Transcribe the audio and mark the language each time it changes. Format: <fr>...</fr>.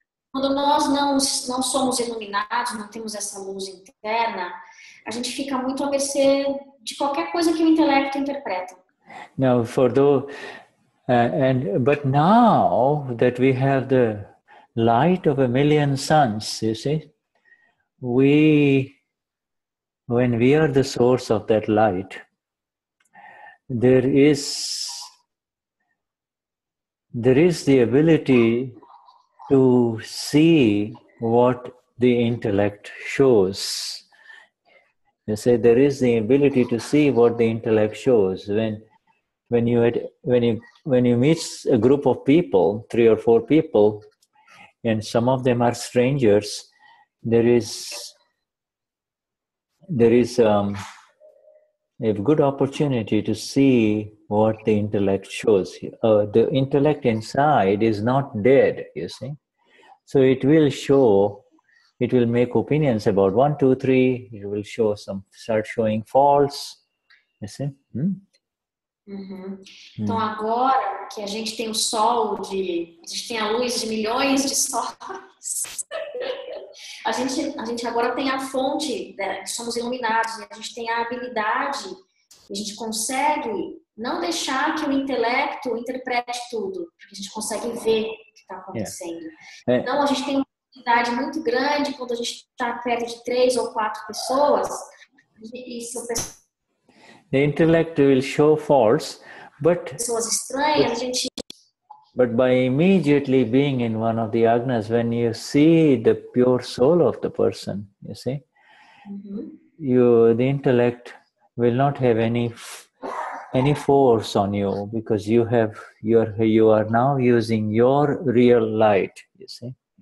<pt>Quando nós não somos iluminados, não temos essa luz interna, a gente fica muito à mercê de qualquer coisa que o intelecto interpreta.</pt> <en>Now, for the and but now that we have the light of a million suns, you see, when we are the source of that light, there is the ability to see what the intellect shows. You say there is the ability to see what the intellect shows. When you meet a group of people, three or four people, and some of them are strangers, there is a good opportunity to see what the intellect shows. The intellect inside is not dead, you see. So it will show, it will make opinions about 1, 2, 3, it will show some, start showing faults, you see.</en> <pt>Então agora que a gente tem o sol, a gente tem a luz de milhões de sóis, a gente agora tem a fonte, né? Somos iluminados, né? A gente tem a habilidade, a gente consegue não deixar que o intelecto interprete tudo, porque a gente consegue ver o que está acontecendo. Yeah. Então a gente tem uma habilidade muito grande quando a gente está perto de 3 ou 4 pessoas, e se o pessoal...</pt> <en>The intellect will show faults, but by immediately being in one of the agnas, when you see the pure soul of the person, you see, the intellect will not have any force on you, because you are now using your real light, you see.</en>